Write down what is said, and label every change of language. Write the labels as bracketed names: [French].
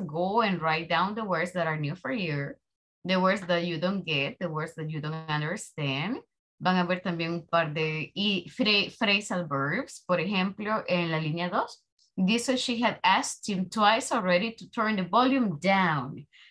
[English] Go and write down the words that are new for you. The words that you don't get, the words that you don't understand. [Spanish] Van a ver también un par de phrasal verbs. Por ejemplo, en la línea 2. [English] This is she had asked him twice already to turn the volume down.